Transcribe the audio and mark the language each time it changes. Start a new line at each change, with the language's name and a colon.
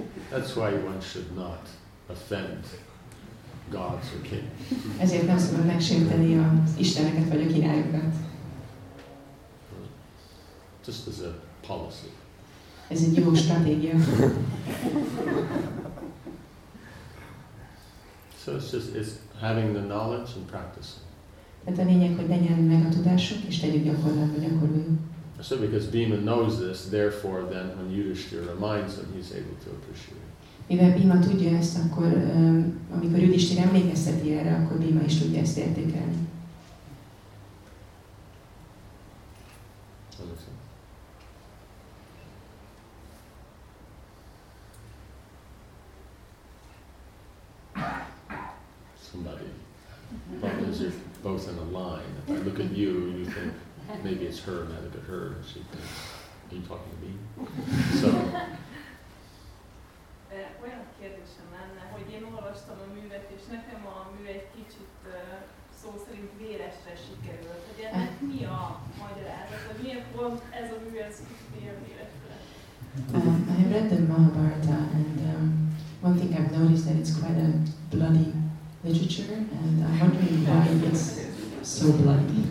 English: That's why one should not offend gods or kings.
Hungarian: Ezért nem szabad megsérteni az isteneket vagy a királyokat.
English: Just as a policy.
Hungarian: Ez egy jó stratégia.
English: So it's just it's having the knowledge and practicing.
Hungarian: Tehát a lényeg, hogy legyen meg a tudásunk, és tegyük gyakorlatba, gyakoroljuk.
English: So because Bhima knows this, therefore then when Yudhishthira reminds him, he's able to appreciate it.
Hungarian: Mivel Bhima tudja ezt, akkor amikor Yudhishthira emlékezteti erre, akkor Bhima is tudja ezt értékelni.
English: Somebody. Well, as you're both in a line, if I look at you, you think maybe it's her, and I look at her, and she thinks, are you talking to me? So.
Hungarian: Olyan kérdésem lenne, hogy én olvastam a művet, és nekem a mű egy kicsit szó szerint véresre sikerült. Hogy ennek mi a magyarázat? Miért pont ez a mű, ez kicsit véresre?
English: I read the Mahabharata, and one thing I've noticed that it's quite a bloody literature, and I'm wondering why it's so bloody.